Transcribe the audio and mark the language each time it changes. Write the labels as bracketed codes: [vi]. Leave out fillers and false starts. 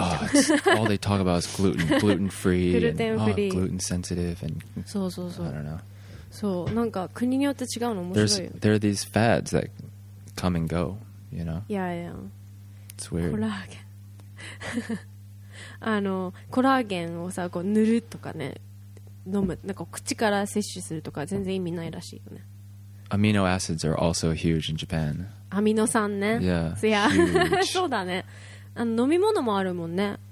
[en] All they talk about is gluten, gluten free, gluten-free. And, gluten sensitive, and [ja] そうそうそう。 [en] I don't know. [ja] そう、なんか国によって違うの面白い。 [en] There are these fads that come and go, you know. Yeah, yeah. It's weird. [ja] コラーゲン。あのコラーゲンをさこう塗るとかね、飲むなんか口から摂取するとか全然意味ないらしいよね。 [en] Amino acids are also huge in Japan. [ja] アミノ酸ね。 [en] Yeah. Yeah. [ja] そうだね。あの飲み物もあるもんね。